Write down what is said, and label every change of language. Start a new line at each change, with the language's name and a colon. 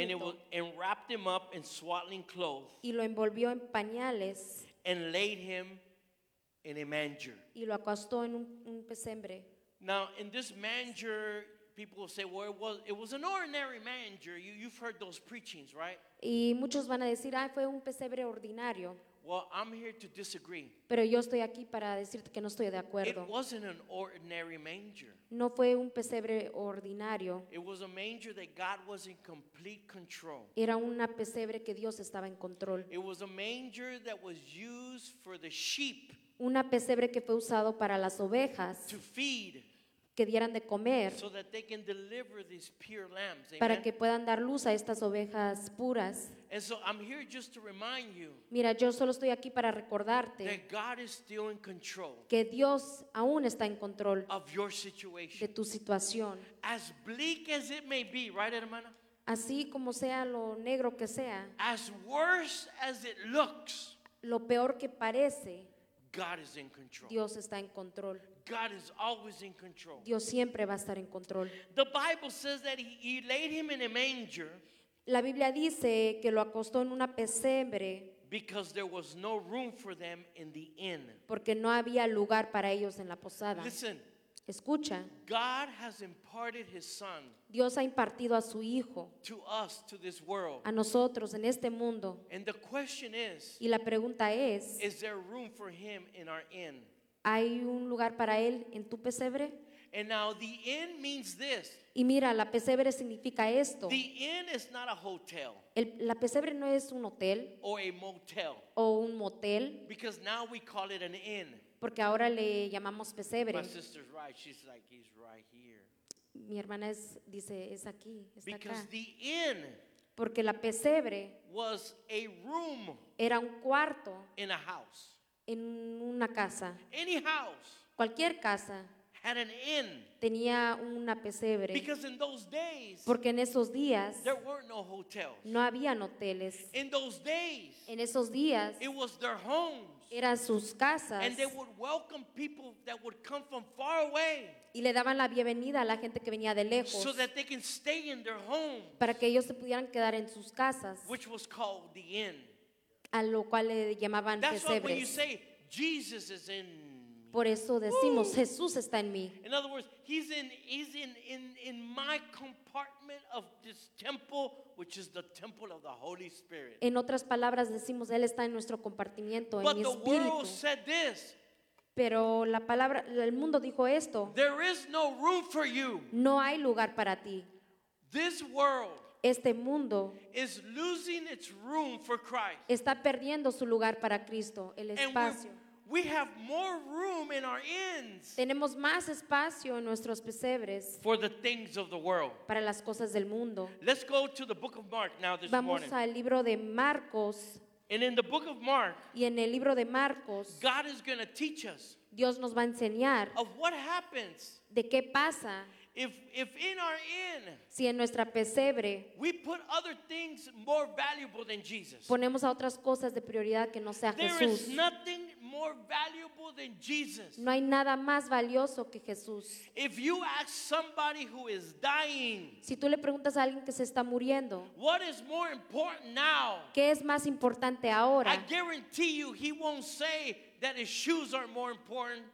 English: And it was, and wrapped him up in swaddling clothes.
Spanish: Y lo envolvió en pañales.
English: And laid him in a manger.
Spanish: Y lo acostó en un pesebre.
English: Now, in this manger, people will say, well, it was an ordinary manger. You've heard those preachings, right?
Spanish: Y muchos van a decir, ah, fue un pesebre ordinario.
English: Well, I'm here to disagree.
Spanish: Pero yo estoy aquí para decirte que no estoy de acuerdo.
English: It wasn't an ordinary manger.
Spanish: No fue un pesebre ordinario.
English: It was a manger that God was in complete control.
Spanish: Era una pesebre que Dios estaba en control.
English: It was a manger that was used for the sheep.
Spanish: Una pesebre que fue usado para las ovejas.
English: To feed.
Spanish: Que dieran de comer.
English: So that they can deliver these pure lambs. Amen?
Spanish: Para que puedan dar luz a estas ovejas puras.
English: And so I'm here just to remind you.
Spanish: Mira, yo solo estoy aquí para recordarte.
English: That God is still in control.
Spanish: Que Dios aún está en control.
English: Of your situation.
Spanish: De tu situación.
English: As bleak as it may be, right, hermana?
Spanish: Así como sea lo negro que sea.
English: As worse as it looks.
Spanish: Lo peor que parece.
English: God is in control.
Spanish: Dios está en control.
English: God is always in control.
Spanish: Dios siempre va a estar en control.
English: The Bible says that he laid him in a manger.
Spanish: La Biblia dice que lo acostó en una pesebre.
English: Because there was no room for them in the inn.
Spanish: Porque no había lugar para ellos en la posada.
English: Listen.
Spanish: Escucha.
English: God has imparted his son.
Spanish: Dios ha impartido a su hijo.
English: To us, to this world.
Spanish: A nosotros en este mundo.
English: And the question is.
Spanish: Y la pregunta es.
English: Is there room for him in our inn?
Spanish: ¿Hay un lugar para él en tu pesebre?
English: And now the inn means this.
Spanish: Y mira, la pesebre significa esto.
English: The inn is not a hotel.
Spanish: La pesebre no es un hotel.
English: Or a motel.
Spanish: O un motel.
English: Because now we call it an inn.
Spanish: Porque ahora le llamamos pesebre.
English: My sister's right. She's like, he's right here.
Spanish: Mi hermana dice, es aquí, está
English: Because
Spanish: acá.
English: The inn.
Spanish: Porque la pesebre.
English: Was a room.
Spanish: Era un cuarto.
English: In a house.
Spanish: En una casa.
English: Any house.
Spanish: Cualquier casa.
English: Had an inn.
Spanish: Tenía una pesebre.
English: Because in those days.
Spanish: Porque en esos días.
English: There were no hotels.
Spanish: No habían hoteles.
English: In those days.
Spanish: En esos días.
English: It was their homes.
Spanish: Eran sus casas.
English: And they would welcome people that would come from far away.
Spanish: Y le daban la bienvenida a la gente que venía de lejos.
English: So that they can stay in their homes.
Spanish: Para que ellos se pudieran quedar en sus casas.
English: Which was called the inn.
Spanish: A lo cual le llamaban
English: That's
Spanish: pesebre.
English: Why when you say Jesus is in me.
Spanish: Por eso decimos Woo! Jesús está en mí.
English: In other words, he's in my compartment of this temple, which is the temple of the Holy Spirit.
Spanish: En otras palabras decimos él está en nuestro compartimiento, en mi espíritu.
English: But the world said this.
Spanish: Pero la palabra, el mundo dijo esto.
English: There is no room for you.
Spanish: No hay lugar para ti.
English: This world.
Spanish: Este mundo
English: is losing its room for Christ.
Spanish: Está perdiendo su lugar para Cristo, el espacio.
English: We have more room in our inns.
Spanish: Tenemos más espacio en nuestros pesebres.
English: For the things of the world.
Spanish: Para las cosas del mundo.
English: Let's go to the book of Mark now this
Spanish: Vamos
English: morning.
Spanish: Vamos al libro de Marcos.
English: And in the book of Mark.
Spanish: Y en el libro de Marcos.
English: God is going to teach us.
Spanish: Dios nos va a enseñar.
English: Of what happens.
Spanish: De qué pasa.
English: If in our inn,
Spanish: si en nuestra pesebre,
English: we put other things more valuable than Jesus.
Spanish: Ponemos a otras cosas de prioridad que no sea
English: there
Spanish: Jesús.
English: Is nothing more valuable than Jesus.
Spanish: No hay nada más valioso que Jesús.
English: If you ask somebody who is dying,
Spanish: si tú le preguntas a alguien que se está muriendo,
English: what is more important now?
Spanish: ¿Qué es más importante ahora?
English: I guarantee you he won't say that his shoes are more important.